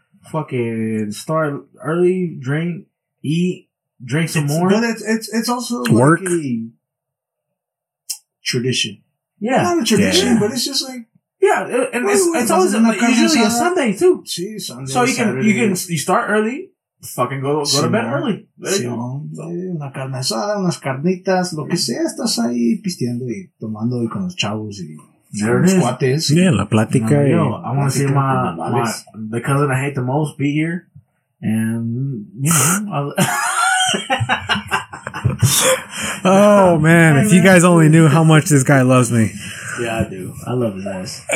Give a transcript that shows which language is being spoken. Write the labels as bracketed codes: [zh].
[en] Fucking start early, drink some more. But it's also work. Like a tradition. Yeah. Not a tradition, yeah. But it's just like... Yeah, and it's always usually a Sunday, too. See, Sunday, so you can Saturday. You start early, fucking go to bed early. [es] Una carne asada, unas carnitas, lo que sea, estás ahí pisteando y tomando y con los chavos y... [en] There it is. Yeah, [es] la plática. No, yo, [en] I want to see the cousin I hate the most be here. And, you know. Oh, man. If you guys only knew how much this guy loves me. Yeah, I do. I love his ass.